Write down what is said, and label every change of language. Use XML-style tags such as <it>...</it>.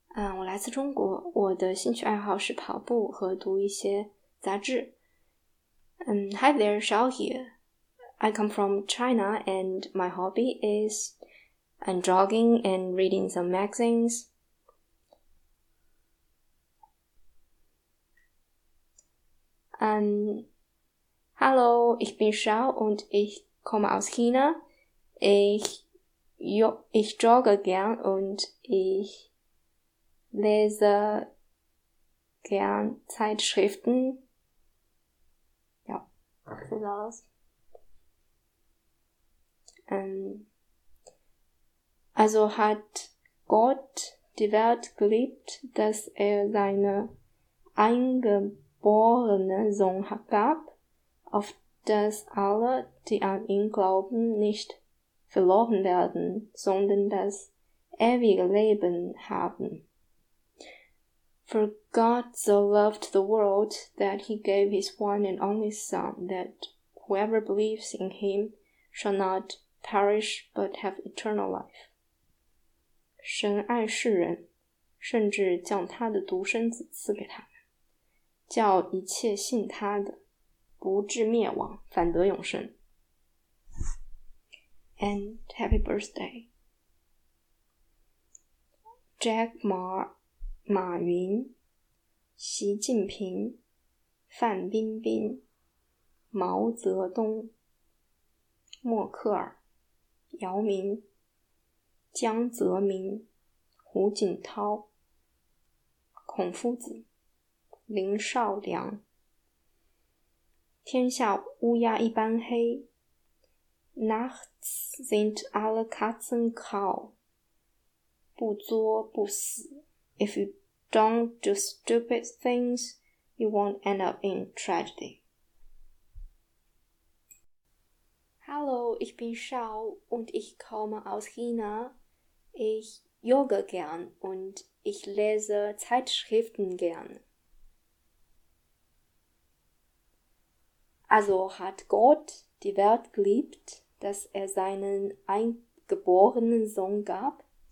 <zh>我来自中国，我的兴趣爱好是跑步和读一些杂志。</zh> <en>Hi there, Shaohui. I come from China, and my hobby is jogging and reading some magazines.</en> <de>Hello, ich bin Shao und ich komme aus China. Ich jogge gern und ich lese gern Zeitschriften. So sieht's aus. Also hat Gott die Welt geliebt, dass er seine eingeborene Sohn gab, auf dass alle, die an ihn glauben, nicht verloren werden, sondern das ewige Leben haben.</de> <en>For God so loved the world that he gave his one and only Son, that whoever believes in him shall not perish but have eternal life.</en> <zh>神爱世人，甚至将他的独生子赐给他们，叫一切信他的，不至灭亡，反得永生。</zh> <en>And happy birthday,</en> <zh>Jack Ma, 马云、习近平、范冰冰、毛泽东、默克尔、姚明、江泽民、胡锦涛、孔夫子、林少良，天下乌鸦一般黑。</zh> <de>Nachts sind alle Katzen kahl.</de> <zh>不作不死。</zh> <en>If you don't do stupid things, you won't end up in tragedy.</en> <de>Hallo, ich bin Shao und ich komme aus China. Ich jogge gern und ich lese Zeitschriften gern. Also hat Gott die Welt geliebt, dass er seinen eingeborenen Sohn gab.</de>